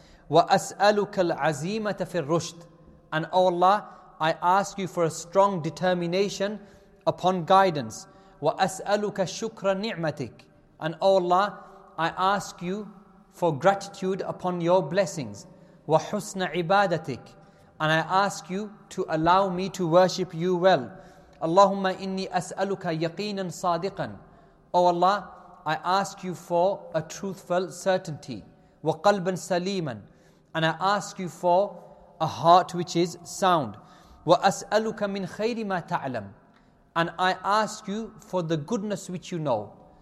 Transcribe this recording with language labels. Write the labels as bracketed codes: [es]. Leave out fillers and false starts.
[ar] "Wa as'aluka al-azimata fil rushd." [en] And oh Allah, I ask you for a strong determination upon guidance. [ar] "Wa as'aluka shukra ni'matik." [en] And oh Allah, I ask you for gratitude upon your blessings. [ar] وَحُسْنَ عِبَادَتِكَ, [en] and I ask you to allow me to worship you well. [ar] اللهم إني أسألُكَ يَقِينًا صَادِقًا. [en] O Allah, I ask you for a truthful certainty. [ar] وَقَلْبًا سَلِيمًا, [en] and I ask you for a heart which is sound. [ar] وَأَسْأَلُكَ مِنْ خَيْرِ مَا تَعْلَمُ, [en] and I ask you for the goodness which you know.